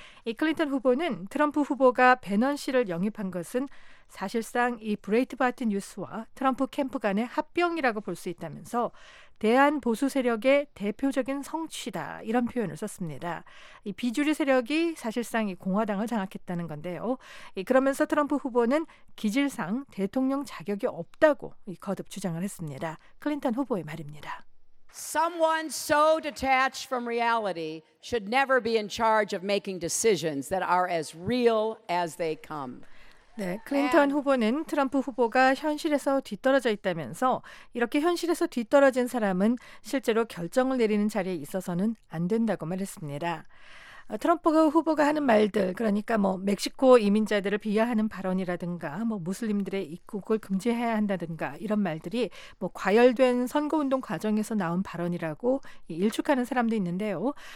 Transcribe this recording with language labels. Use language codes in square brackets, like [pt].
[ko] 이 클린턴 후보는 트럼프 후보가 배넌 씨를 영입한 것은 사실상 이 브레이트바트 뉴스와 트럼프 캠프 간의 합병이라고 볼 수 있다면서 대한 보수 세력의 대표적인 성취다, 이런 표현을 썼습니다. 이 비주류 세력이 사실상 이 공화당을 장악했다는 건데요. 그러면서 트럼프 후보는 기질상 대통령 자격이 없다고 거듭 주장을 했습니다. 클린턴 후보의 말입니다. [en] Someone so detached from reality should never be in charge of making decisions that are as real as they come. [ko] 네, 클린턴 후보는 트럼프 후보가 현실에서 뒤떨어져 있다면서 이렇게 현실에서 뒤떨어진 사람은 실제로 결정을 내리는 자리에 있어서는 안 된다고 말했습니다. 트럼프 후보가 하는 말들, 그러니까 뭐 멕시코 이민자들을 비하하는 발언이라든가 뭐 무슬림들의 입국을 금지해야 한다든가 이런 말들이 뭐 과열된 선거운동 과정에서 나온 발언이라고 일축하는 사람도 있는데요.